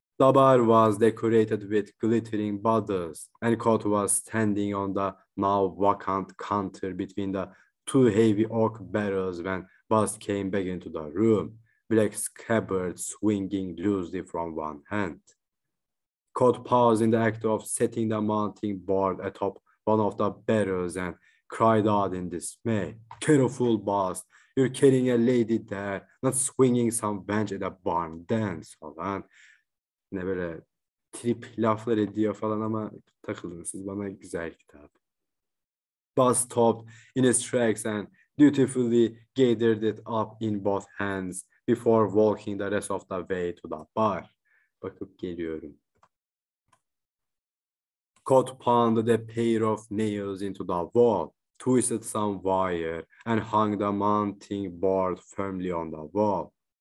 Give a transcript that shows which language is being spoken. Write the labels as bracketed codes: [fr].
[en] The bar was decorated with glittering bottles and Kot was standing on the now vacant counter between the two heavy oak barrels when Buzz came back into the room, black scabbard swinging loosely from one hand. Kot paused in the act of setting the mounting board atop one of the barrels and cried out in dismay, "Careful, Buzz! You're carrying a lady there, not swinging some bench at a barn dance falan." [tr] Ne böyle trip laflar ediyor falan ama takılın siz bana, güzel kitap. [en] Buzz stopped in his tracks and dutifully gathered it up in both hands before walking the rest of the way to the bar. [tr] Bakıp geliyorum. [en] Kot pounded a pair of nails into the wall, twisted some wire and hung the mounting board firmly on the wall.